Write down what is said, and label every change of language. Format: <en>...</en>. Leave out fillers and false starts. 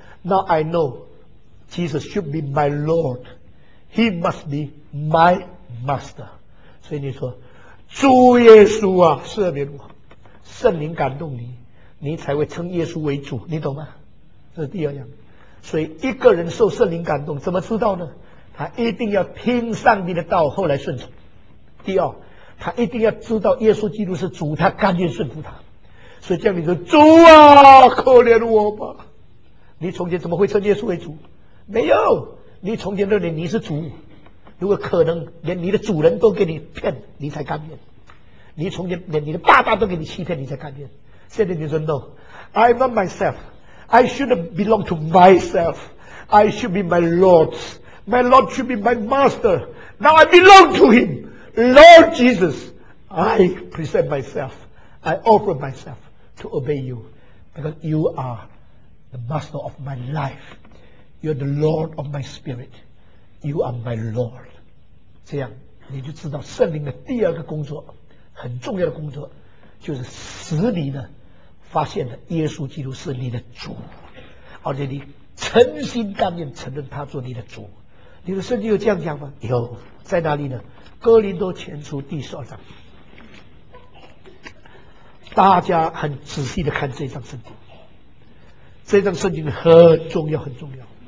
<en>Now I know Jesus should be my Lord. He must be my master.</en> <zh>所以你说，主耶稣啊，赦免我。圣灵感动你，你才会称耶稣为主，你懂吗？这是第二样。所以一个人受圣灵感动，怎么知道呢？他一定要听上帝的道，后来顺从。第二，他一定要知道耶稣基督是主，他甘愿顺服他。所以这样你说，主啊，可怜我吧！你从前怎么会称耶稣为主？没有，你从前认为你是主，如果可能，连你的主人都给你骗，你才甘愿。你从前连你的爸爸都给你欺骗，你才甘愿。现在你说</zh> <en>No, I'm not myself. I shouldn't belong to myself. I should be my Lord. My Lord should be my master. Now I belong to him. Lord Jesus, I present myself, I offer myself to obey you, because you are the master of my life, you are the Lord of my spirit, you are my Lord.</en> <zh>这样你就知道圣灵的第二个工作，很重要的工作，就是使你呢发现了耶稣基督是你的主，而且你诚心甘愿承认他做你的主。你的圣经有这样讲吗？有，在哪里呢？哥林多前书第十二章，大家很仔细的看这张圣经，这张圣经很重要，很重要。</zh>